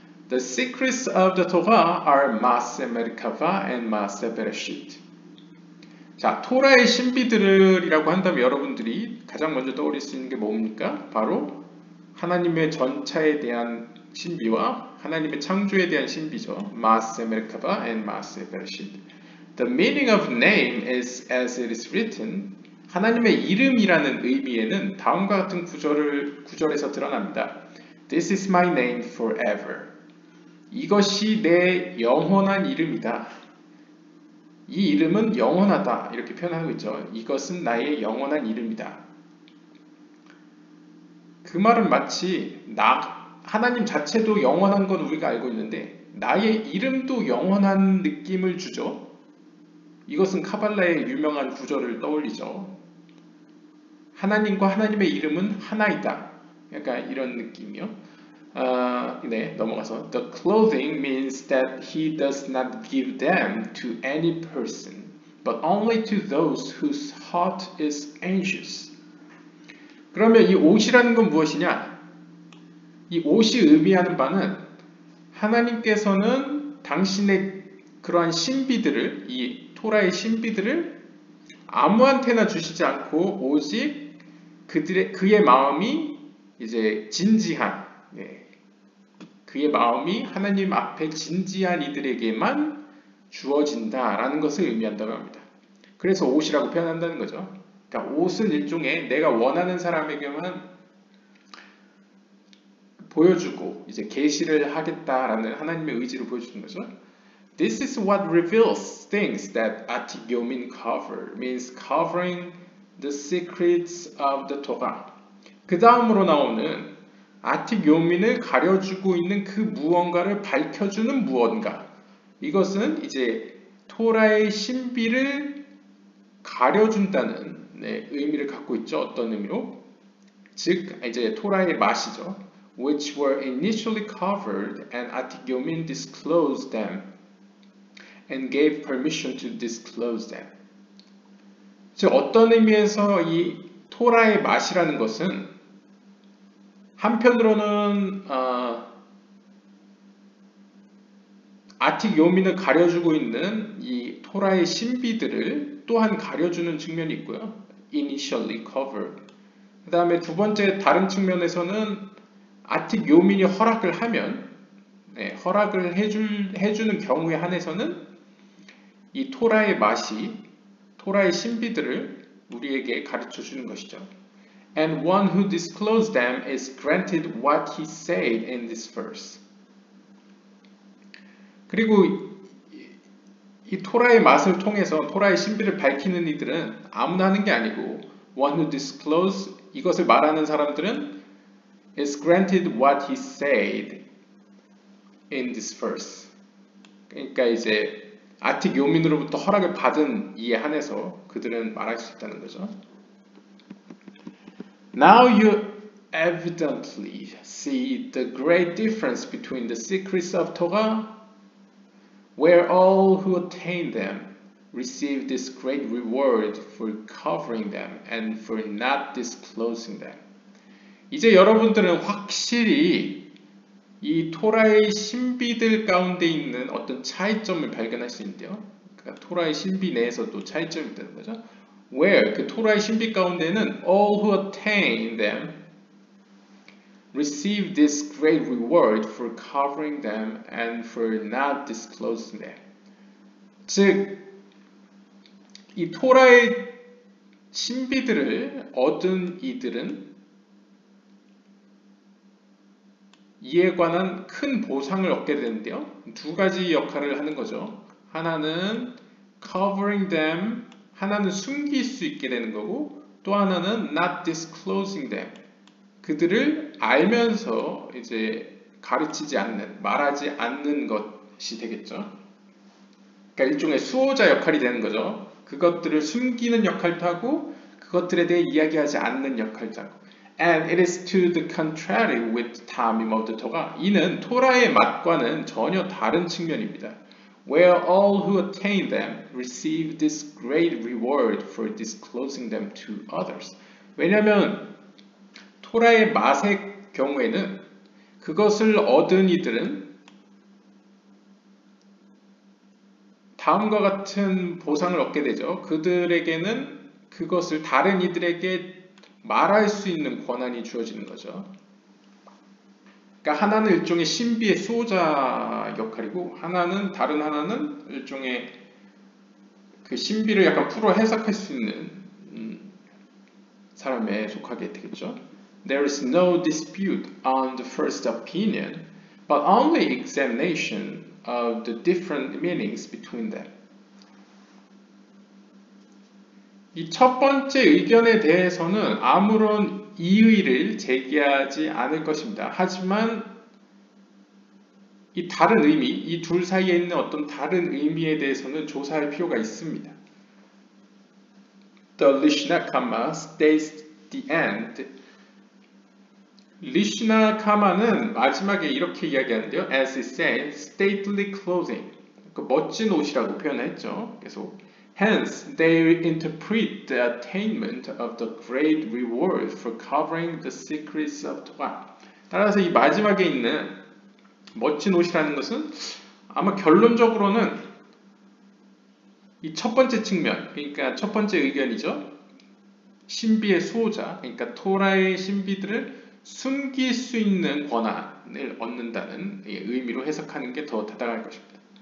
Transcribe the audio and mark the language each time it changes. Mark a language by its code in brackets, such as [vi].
[en] The secrets of the Torah are Maaseh Merkava and Maaseh Bereshit. [ko] 자, 토라의 신비들이라고 한다면 여러분들이 가장 먼저 떠올릴 수 있는 게 뭡니까? 바로 하나님의 전차에 대한 신비와 하나님의 창조에 대한 신비죠. [en] Maaseh Merkava and Maaseh Bereshit. The meaning of name is as it is written. [ko] 하나님의 이름이라는 의미에는 다음과 같은 구절에서 드러납니다. [en] This is my name forever. [ko] 이것이 내 영원한 이름이다. 이 이름은 영원하다. 이렇게 표현하고 있죠. 이것은 나의 영원한 이름이다. 그 말은 마치 나 하나님 자체도 영원한 건 우리가 알고 있는데 나의 이름도 영원한 느낌을 주죠. 이것은 카발라의 유명한 구절을 떠올리죠. 하나님과 하나님의 이름은 하나이다. 약간 이런 느낌이요. 네, 넘어가서 [en] The clothing means that he does not give them to any person, but only to those whose heart is anxious. [ko] 그러면 이 옷이라는 건 무엇이냐? 이 옷이 의미하는 바는 하나님께서는 당신의 그러한 신비들을, 이 토라의 신비들을 아무한테나 주시지 않고 오직 그의 마음이 이제 진지한, 네. 그의 마음이 하나님 앞에 진지한 이들에게만 주어진다라는 것을 의미한다고 합니다. 그래서 옷이라고 표현한다는 거죠. 그러니까 옷은 일종의 내가 원하는 사람에게만 보여주고 이제 계시를 하겠다라는 하나님의 의지를 보여주는 거죠. [en] This is what reveals things that Atik Yomin cover means covering the secrets of the Torah. [ko] 그 다음으로 나오는 아틱 요민을 가려주고 있는 그 무언가를 밝혀주는 무언가. 이것은 이제 토라의 신비를 가려준다는 네, 의미를 갖고 있죠. 어떤 의미로? 즉 이제 토라의 맛이죠. [en] Which were initially covered and Atik Yomin disclosed them and gave permission to disclose them. [ko] 즉 어떤 의미에서 이 토라의 맛이라는 것은 한편으로는 아틱 요민을 가려주고 있는 이 토라의 신비들을 또한 가려주는 측면이 있고요. [en] Initially covered. [ko] 그 다음에 두 번째 다른 측면에서는 아틱 요민이 허락을 하면 네, 허락을 해주는 경우에 한해서는 이 토라의 맛이 토라의 신비들을 우리에게 가르쳐주는 것이죠. [en] And one who disclosed them is granted what he said in this verse. [ko] 그리고 이 토라의 맛을 통해서 토라의 신비를 밝히는 이들은 아무나 하는 게 아니고 [en] one who disclosed [ko] 이것을 말하는 사람들은 [en] is granted what he said in this verse. [ko] 그러니까 이제 아틱 요민으로부터 허락을 받은 이에 한해서 그들은 말할 수 있다는 거죠. [en] Now you evidently see the great difference between the secrets of Torah, where all who attain them receive this great reward for covering them and for not disclosing them. [ko] 이제 여러분들은 확실히 이 토라의 신비들 가운데 있는 어떤 차이점을 발견할 수 있는데요. 그러니까 토라의 신비 내에서도 차이점이 되는 거죠. [en] Where [ko] 그 토라의 신비 가운데는 [en] all who attain them receive this great reward for covering them and for not disclosing them. [ko] 즉 이 토라의 신비들을 얻은 이들은 이에 관한 큰 보상을 얻게 되는데요. 두 가지 역할을 하는 거죠. 하나는 [en] covering them, [ko] 하나는 숨길 수 있게 되는 거고 또 하나는 [en] not disclosing them. [ko] 그들을 알면서 이제 가르치지 않는, 말하지 않는 것이 되겠죠. 그러니까 일종의 수호자 역할이 되는 거죠. 그것들을 숨기는 역할도 하고 그것들에 대해 이야기하지 않는 역할도 하고. [en] And it is to the contrary with the Tamim of the Torah. [ko] 이는 토라의 맛과는 전혀 다른 측면입니다. Where all who attain them receive this great reward for disclosing them to others. 왜냐하면 토라의 맛의 경우에는 그것을 얻은 이들은 다음과 같은 보상을 얻게 되죠. 그들에게는 그것을 다른 이들에게 말할 수 있는 권한이 주어지는 거죠. 그러니까 하나는 일종의 신비의 수호자 역할이고 하나는 다른 하나는 일종의 그 신비를 약간 풀어 해석할 수 있는 사람에 속하게 되겠죠. [en] there is no dispute on the first opinion, but only examination of the different meanings between them. [ko] 이 첫 번째 의견에 대해서는 아무런 이의를 제기하지 않을 것입니다. 하지만 이 다른 의미, 이 둘 사이에 있는 어떤 다른 의미에 대해서는 조사할 필요가 있습니다. [en] The Lishna Kama states the end. Lishna Kama는 [ko] 마지막에 이렇게 이야기하는데요. [en] As it says, stately clothing. [ko] 그 멋진 옷이라고 표현했죠. 계속. [en] Hence, they interpret the attainment of the great reward for covering the secrets of Torah. [ko] 따라서 이 마지막에 있는 멋진 옷이라는 것은 아마 결론적으로는 이 첫 번째 측면, 그러니까 첫 번째 의견이죠. 신비의 수호자, 그러니까 토라의 신비들을 숨길 수 있는 권한을 얻는다는 의미로 해석하는 게 더 타당할 것입니다.